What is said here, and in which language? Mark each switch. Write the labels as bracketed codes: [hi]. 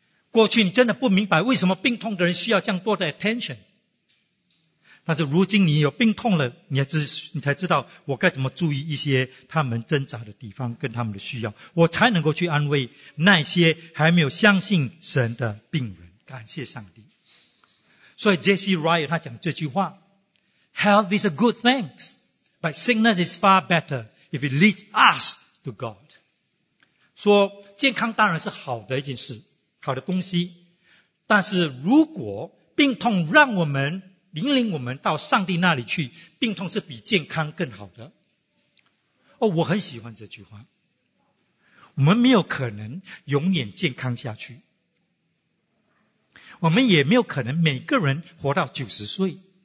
[zh] 过去你真的不明白为什么病痛的人需要这样多的 attention， 但是如今你有病痛了，你才知道我该怎么注意一些他们挣扎的地方跟他们的需要，我才能够去安慰那些还没有相信神的病人。感谢上帝。所以 J.C. [en] Ryle [zh] 他讲这句话， [en] Health is a good thing,But sickness is far better if it leads us to God. [zh] 说健康当然是好的一件事，好的东西，但是如果病痛让我们引领我们到上帝那里去，病痛是比健康更好的。我很喜欢这句话。我们没有可能永远健康下去，我们也没有可能每个人活到90岁。